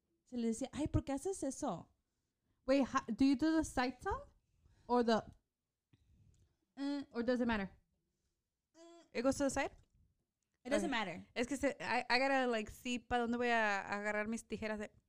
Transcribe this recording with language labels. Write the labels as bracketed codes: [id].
[es] Se les decía, ay, ¿por qué haces eso? [en] Wait, do you do the side tongue or the, or does it matter? It goes to the side? It doesn't matter. [es] Es que [en] I gotta, like, see [es] pa donde voy a agarrar mis tijeras.